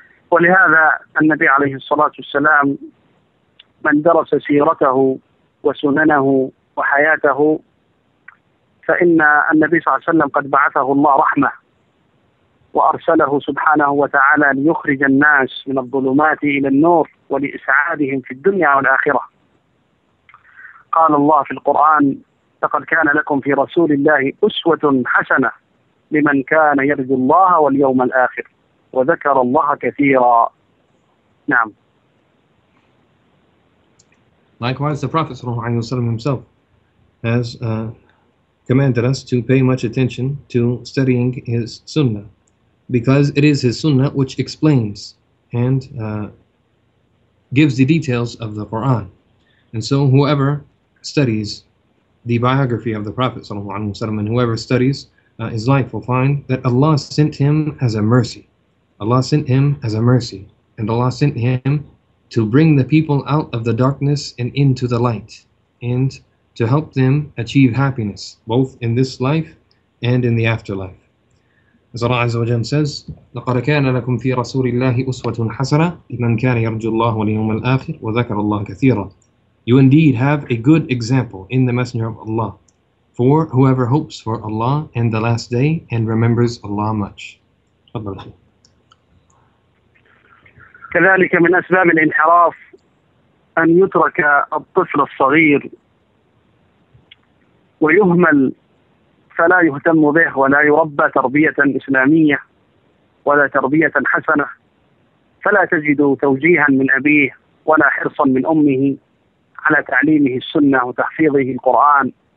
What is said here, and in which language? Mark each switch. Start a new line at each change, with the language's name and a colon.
Arabic: ولهذا النبي عليه الصلاة والسلام من درس سيرته وسننه وحياته، فإن النبي صلى الله عليه وسلم قد بعثه الله رحمة، وأرسله سبحانه وتعالى ليخرج الناس من الظلمات إلى النور ولإسعادهم في الدنيا والآخرة. قال الله في القرآن، لقد كان لكم في رسول الله أسوة حسنة لمن كان يرجو الله واليوم الآخر وذكر الله كثيرا. نعم.
English: Likewise, the Prophet صلى الله عليه وسلم himself has commanded us to pay much attention to studying his sunnah, because it is his sunnah which explains and gives the details of the Qur'an. And so whoever studies the biography of the Prophet ﷺ, and whoever studies his life, will find that Allah sent him as a mercy. Allah sent him as a mercy. And Allah sent him to bring the people out of the darkness and into the light, and to help them achieve happiness, both in this life and in the afterlife. As Allah Azza wa Jal says,
Arabic: لَقَدَ كَانَ لَكُمْ فِي رَسُولِ اللَّهِ أُسْوَةٌ حَسَنَةٌ لِمَنْ كَانَ يَرْجُ اللَّهُ وَلِيَوْمَ الْآخِرِ وَذَكَرَ اللَّهُ كَثِيرًا.
English: You indeed have a good example in the Messenger of Allah for whoever hopes for Allah and the Last Day and remembers Allah much.
Arabic: كذلك من أسباب الانحراف أن يترك الطفل الصغير ويهمل، فلا يهتم به ولا يربى تربية إسلامية ولا تربية حسنة، فلا تجد توجيها من أبيه ولا حرصا من أمه على تعليمه السنة وتحفيظه القرآن.